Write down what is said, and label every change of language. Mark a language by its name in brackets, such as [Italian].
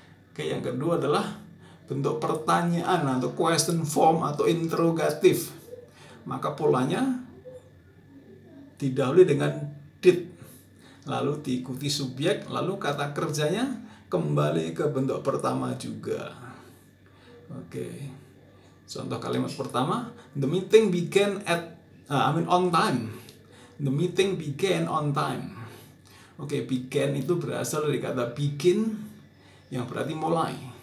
[Indonesian] Oke, yang kedua adalah bentuk pertanyaan atau question form atau interrogatif. Maka polanya didahului dengan did, lalu diikuti subjek, lalu kata kerjanya kembali ke bentuk pertama juga. Oke. [English] Contoh kalimat pertama, the meeting began on time. The meeting began on time. [Indonesian] Oke, began itu berasal dari kata begin yang berarti mulai.